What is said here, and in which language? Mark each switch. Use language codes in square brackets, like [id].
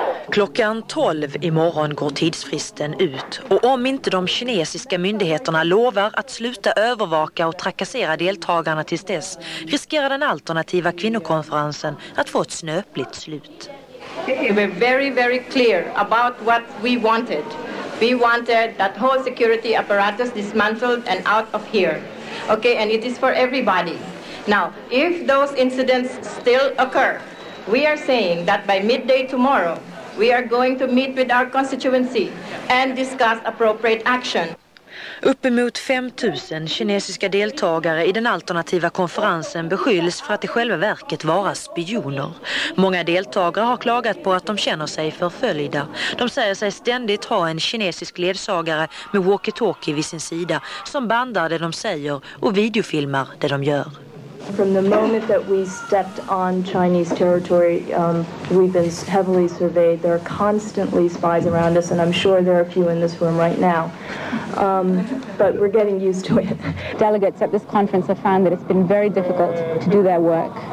[sv] Klockan 12 imorgon går tidsfristen ut och om inte de kinesiska myndigheterna lovar att sluta övervaka och trakassera deltagarna tills dess riskerar den alternativa kvinnokonferensen att få ett snöpligt slut. [en] We were very, very clear about what we wanted. We wanted that whole security apparatus dismantled and out of here. Okay, and it is for everybody. Now, if those incidents still occur, we are saying that by midday tomorrow we are going to meet with our constituency and discuss appropriate action. [sv] Uppemot 5000 kinesiska deltagare i den alternativa konferensen beskylls för att i själva verket vara spioner. Många deltagare har klagat på att de känner sig förföljda. De säger sig ständigt ha en kinesisk ledsagare med walkie-talkie vid sin sida som bandar det de säger och videofilmar det de gör. [en] From the moment that we stepped on Chinese territory, we've been heavily surveyed. There are constantly spies around us, and I'm sure there are a few in this room right now. But we're getting used to it. Delegates at this conference have found that it's been very difficult to do their work.